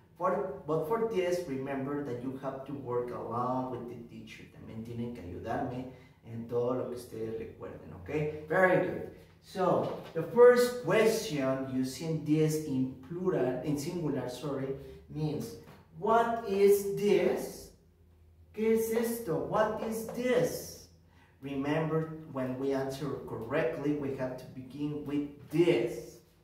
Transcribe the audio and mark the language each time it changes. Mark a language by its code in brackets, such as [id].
[en] But for this, remember that you have to work along with the teacher. [es] También tienen que ayudarme en todo lo que ustedes recuerden, okay? [en] Very good. So, the first question using this in plural, in singular, sorry, means, what is this? [es] ¿Qué es esto? [en] What is this? Remember, when we answer correctly, we have to begin with this.